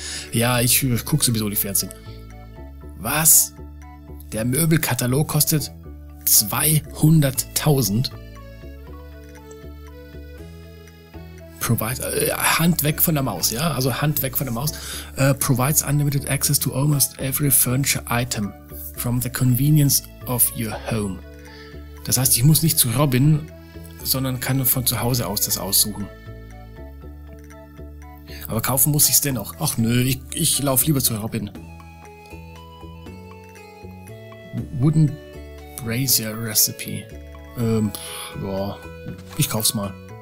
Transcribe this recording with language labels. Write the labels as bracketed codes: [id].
[de] Ja, ich gucke sowieso die Fernsehen. Was? Der Möbelkatalog kostet 200.000? Hand weg von der Maus, ja? Also Hand weg von der Maus. [en] Provides unlimited access to almost every furniture item from the convenience of your home. [de] Das heißt, ich muss nicht zu Robin, sondern kann von zu Hause aus das aussuchen. Aber kaufen muss ich es dennoch. Ach nö, ich laufe lieber zu Robin. Wooden Brazier Recipe. Ja, ich kauf's mal.